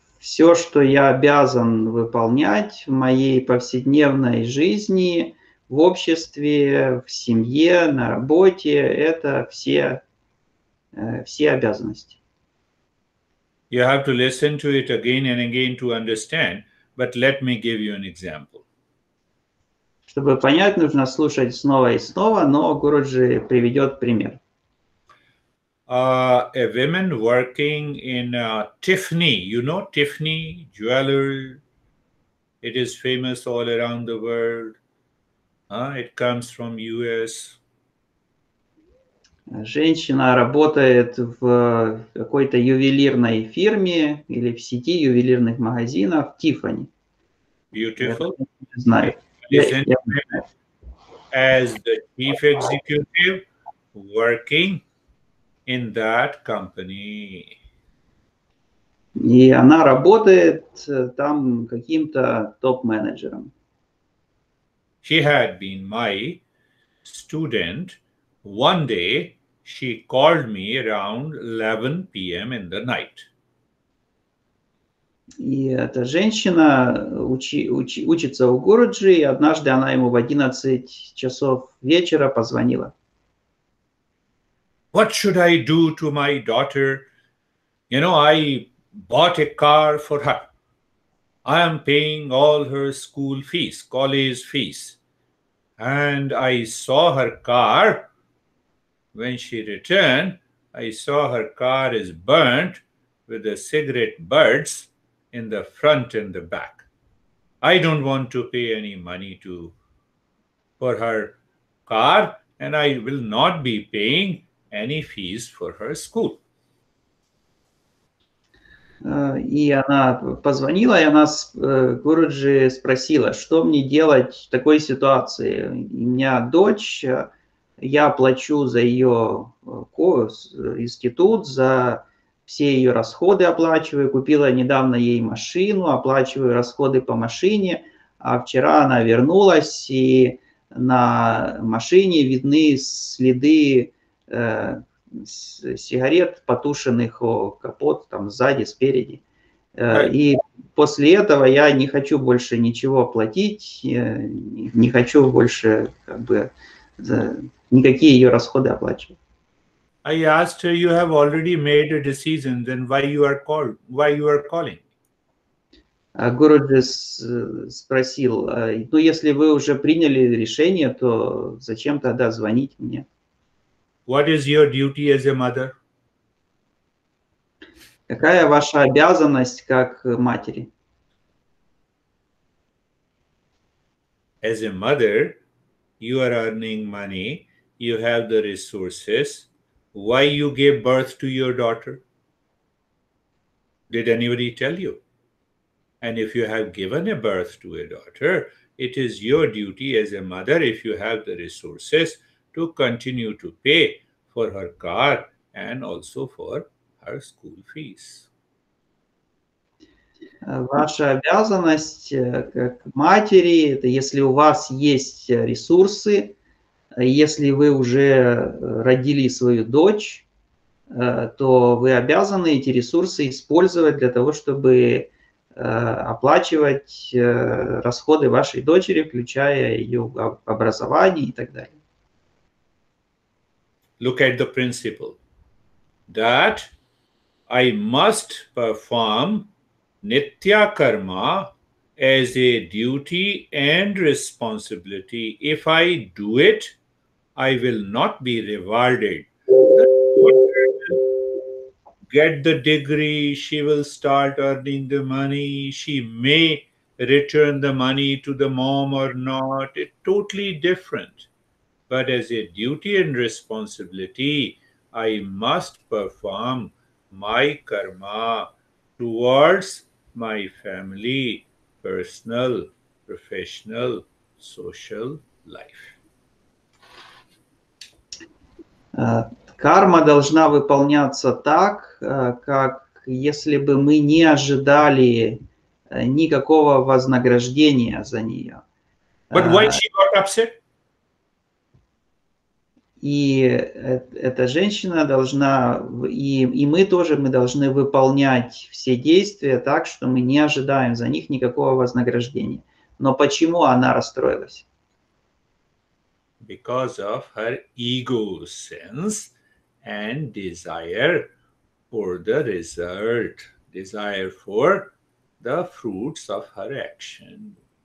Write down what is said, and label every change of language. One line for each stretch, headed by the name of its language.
Russian: Все, что я обязан выполнять в моей повседневной жизни, в обществе, в семье, на работе, это все обязанности.
English: You have to listen to it again and again to understand, but let me give you an example.
Russian: Чтобы понять, нужно слушать снова и снова, но Гуруджи приведет пример.
English: A woman working in Tiffany, you know Tiffany jeweler, it is famous all around the world. It comes from US.
Russian: Женщина работает в какой-то ювелирной фирме или в сети ювелирных магазинов Tiffany. Я
English: Beautiful.
Russian: знаю.
English: She is in as the chief executive working in that company.
Russian: И она работает там каким-то топ-менеджером.
English: She had been my student. One day she called me around 11 p.m. in the night.
Russian: И эта женщина учится у Гуруджи, и однажды она ему в 11 часов вечера позвонила.
English: What should I do to my daughter? I bought a car for her. I am paying all her school fees, college fees. And I saw her car. When she returned, I saw her car is burnt with the cigarette butts in the front and the back. I don't want to pay any money for her car, and I will not be paying any fees for her school.
Russian: И она позвонила, и она Гуруджи спросила, что мне делать в такой ситуации. У меня дочь, я плачу за ее институт, за все ее расходы оплачиваю, купила недавно ей машину, оплачиваю расходы по машине, а вчера она вернулась, и на машине видны следы сигарет, потушенных о капот, там сзади, спереди. И после этого я не хочу больше ничего платить, не хочу больше как бы никакие ее расходы оплачивать.
English: I asked her, you have already made a decision, then why you are calling?
Russian: Гуруджи спросил, ну если вы уже приняли решение, то зачем тогда звонить мне?
English: What is your duty as a mother?
Russian: Какая ваша обязанность как матери?
English: As a mother, you are earning money, you have the resources. Why you gave birth to your daughter? Did anybody tell you? And if you have given a birth to a daughter, it is your duty as a mother, if you have the resources, to continue to pay for her car and also for her school fees.
Russian: Ваша обязанность как матери, это если у вас есть ресурсы, если вы уже родили свою дочь, то вы обязаны эти ресурсы использовать для того, чтобы оплачивать расходы вашей дочери, включая ее образование и так далее.
English: Look at the principle that I must perform nitya karma as a duty and responsibility. If I do it, I will not be rewarded. Get the degree, she will start earning the money, she may return the money to the mom or not. It's totally different. But as a duty and responsibility, I must perform my karma towards my family, personal, professional, social life.
Russian: Карма должна выполняться так, как если бы мы не ожидали никакого вознаграждения за нее.
English: But why she got upset?
Russian: И эта женщина должна, и мы тоже, мы должны выполнять все действия так, что мы не ожидаем за них никакого вознаграждения. Но почему она расстроилась?
English: Because of her ego sense and desire for the result, desire for the fruits of her action.